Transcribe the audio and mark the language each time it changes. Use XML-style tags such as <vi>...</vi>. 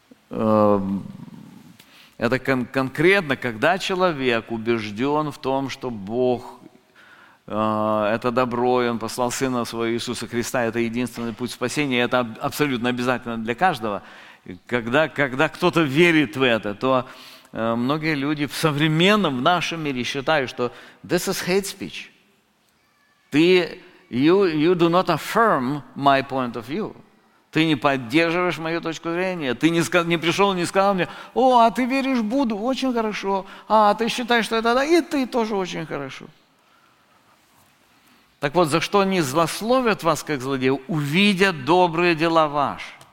<ru>Это конкретно, когда человек убежден в том, что Бог – это добро, и Он послал Сына Своего Иисуса Христа, это единственный путь спасения, это абсолютно обязательно для каждого. Когда кто-то верит в это, то многие люди в современном, в нашем мире считают, что</ru> <en>this is hate speech. You do not affirm my point of view.</en> <ru>Ты не поддерживаешь мою точку зрения. Ты не пришел и не сказал мне: о, а ты веришь в Будду? Очень хорошо. А ты считаешь, что это да? И ты тоже очень хорошо. Так вот, за что они злословят вас, как злодеев, увидят добрые дела ваши.</ru>